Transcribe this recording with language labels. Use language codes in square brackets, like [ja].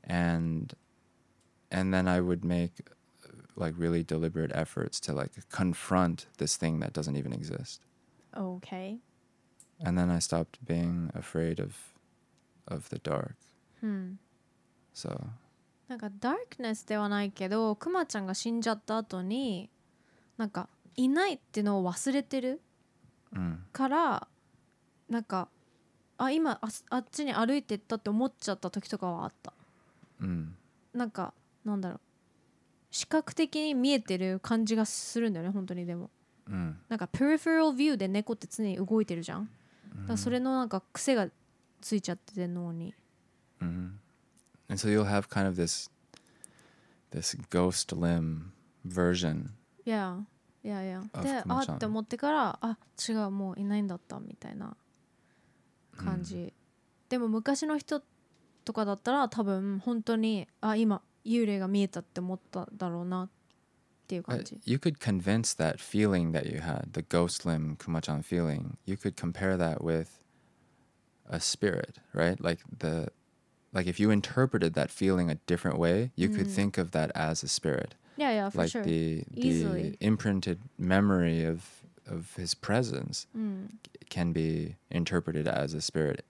[en] And then I would make like really deliberate efforts to like confront this thing that doesn't even exist. Okay. And then I stopped being afraid of the dark. So. [ja] なんかダークネスではないけど、クマちゃんが死んじゃった後に、なんかいないっていうのを忘れてるから、なんかあ今 あっちに歩いてったって思っちゃった時とかはあった、なんかなんだろう、視覚的に見えてる感じがするんだよね本当に。でも、なんか [en] periferal view [ja] で猫って常に動いてるじゃん、だからそれのなんか癖がついちゃってて脳に、 [en] And so you'll have kind of this ghost limb version. Yeah. [ja] で、あって思ってからあ違うもういないんだったみたいな感じ。でも昔の人とかだったら多分本当にあ今幽霊が見えたって思っただろうなっていう感じ。 [en] You could convince that feeling that you had, the ghost limb Kuma-chan feeling, you could compare that with a spirit, right? Like if you interpreted that feeling a different way, you could think of that as a spirit. Yeah, for like sure. Like the imprinted memory of his presence can be interpreted as a spirit.